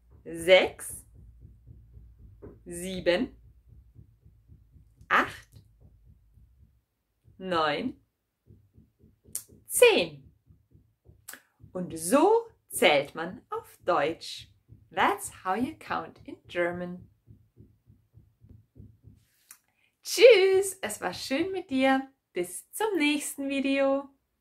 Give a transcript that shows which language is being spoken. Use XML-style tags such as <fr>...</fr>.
<de>sechs, sieben, acht, neun, zehn. Und so zählt man auf Deutsch.</de> <en>That's how you count in German.</en> <de>Tschüss, es war schön mit dir. Bis zum nächsten Video.</de>